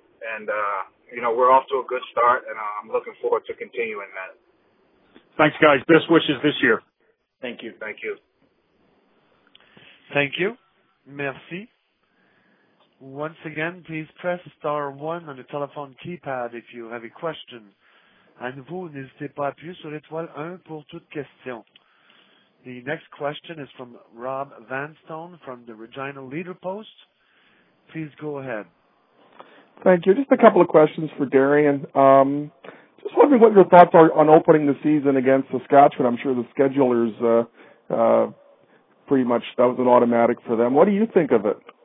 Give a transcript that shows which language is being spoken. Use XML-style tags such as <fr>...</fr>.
<en>And, you know, we're off to a good start, and I'm looking forward to continuing that. Thanks, guys. Best wishes this year. Thank you. Thank you. Thank you. Merci. Once again, please press star 1 on the telephone keypad if you have a question.</en> <fr>À nouveau, n'hésitez pas à appuyer sur l'étoile 1 pour toute question.</fr> <en>The next question is from Rob Vanstone from the Regina Leader Post. Please go ahead. Thank you. Just a couple of questions for Darian. Just wondering what your thoughts are on opening the season against Saskatchewan. I'm sure the schedulers pretty much that was an automatic for them. What do you think of it?</en>